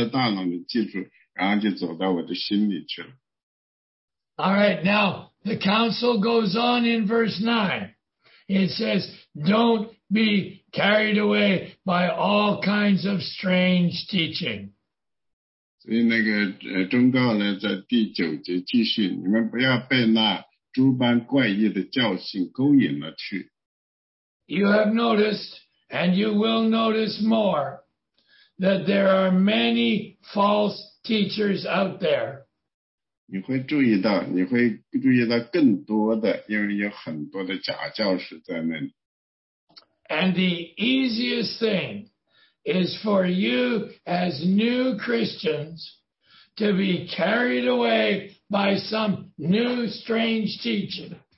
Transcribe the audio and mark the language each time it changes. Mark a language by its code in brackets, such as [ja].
[zh] 所以呢，实际上在那个希伯来书里面的那些主题是非常好的，所以他说我要先在大脑里记住，然后就走到我的心里去了。 [en] All right, now the counsel goes on in verse 9. It says, don't be carried away by all kinds of strange teaching. [zh] 所以那个忠告呢，在第九节继续， 你们不要被那诸般怪异的教训勾引了去。 [en] You have noticed, and you will notice more, that there are many false teachers out there. [zh] 你会注意到更多的, 因为有很多的假教师在那里。 [en] And the easiest thing is for you as new Christians to be carried away by some new strange teaching.